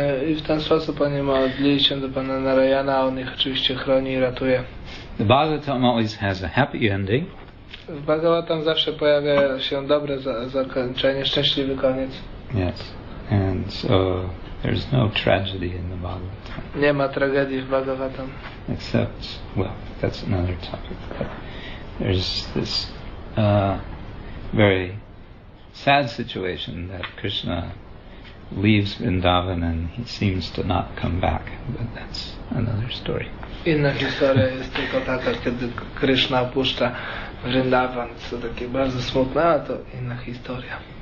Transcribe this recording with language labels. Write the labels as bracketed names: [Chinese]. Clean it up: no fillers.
[Polish] I w ten sposób oni modli się do Pana Narayana, a on ich oczywiście chroni i ratuje. [English] The Bhagavatam always has a happy ending. [Polish] W Bhagavatam zawsze pojawia się dobre zakończenie, szczęśliwy koniec. [English] Yes, and so there's no tragedy in the Bhagavatam. [Polish] Nie ma tragedii w Bhagavatam. [English] Except, well, that's another topic. But there's this very sad situation that Krishna leaves Vrindavan and he seems to not come back, but that's another story. [Polish] Inna historia jest tylko taka, kiedy Krishna opuszcza Vrindavan, co takie bardzo smutne, ale to inna historia.